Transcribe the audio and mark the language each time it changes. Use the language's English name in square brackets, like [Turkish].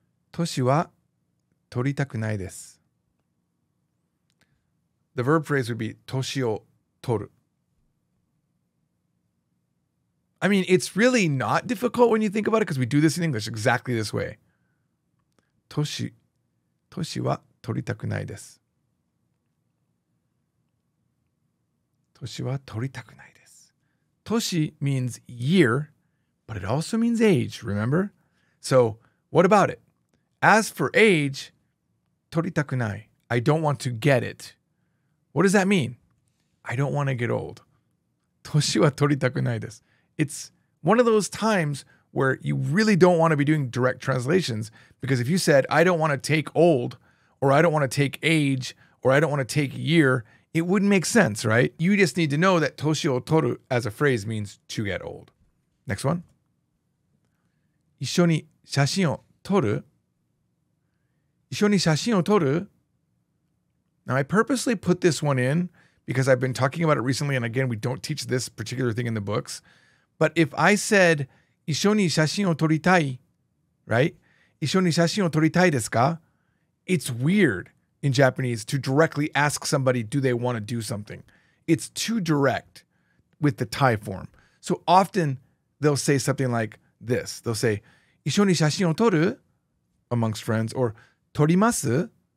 [Japanese] 年は取りたくないです。 [English] The verb phrase would be [Japanese] 歳を取る。 [English] I mean, it's really not difficult when you think about it because we do this in English exactly this way. [Japanese] 歳は取りたくないです。歳は取りたくないです。 [English] 歳 means year, but it also means age, remember? So, what about it? As for age, [Japanese] 取りたくない。 [English] I don't want to get it. What does that mean? I don't want to get old. [Japanese] 歳は取りたくないです。 [English] It's one of those times where you really don't want to be doing direct translations because if you said, I don't want to take old, or I don't want to take age, or I don't want to take year, it wouldn't make sense, right? You just need to know that [Japanese] 歳を取る [English] as a phrase means to get old. Next one. [Japanese] 一緒に写真を撮る。一緒に写真を撮る。 [English] Now, I purposely put this one in because I've been talking about it recently, and again, we don't teach this particular thing in the books. But if I said, [Japanese] 一緒に写真を撮りたい、right? 一緒に写真を撮りたいですか? [English] It's weird in Japanese to directly ask somebody, do they want to do something? It's too direct with the Thai form. So often they'll say something like this. They'll say, [Japanese] 一緒に写真を撮る? [English] Amongst friends, or [Japanese] 撮ります?